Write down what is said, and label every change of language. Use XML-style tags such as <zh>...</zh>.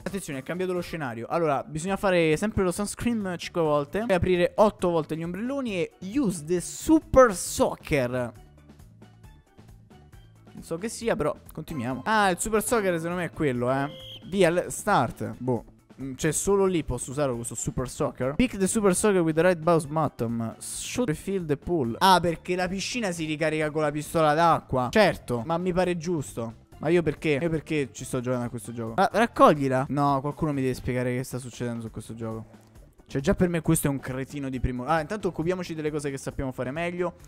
<it>Attenzione, è cambiato lo scenario. Allora, bisogna fare sempre lo sunscreen 5 volte e aprire 8 volte gli ombrelloni e</it> <en>use the super soccer.</en> <it>Non so che sia, però continuiamo. Ah, il super soccer secondo me è quello, Via, start. Boh, cioè solo lì posso usare questo super soccer.</it> <en>Pick the super soccer with the right mouse button. Shoot the field the pool.</en> <it>Ah, perché la piscina si ricarica con la pistola d'acqua. Certo, ma mi pare giusto. Ma io perché? Io perché ci sto giocando a questo gioco? Ma raccoglila. No, qualcuno mi deve spiegare che sta succedendo su questo gioco. Cioè già per me questo è un cretino di primo. Ah, intanto occupiamoci delle cose che sappiamo fare meglio.</it>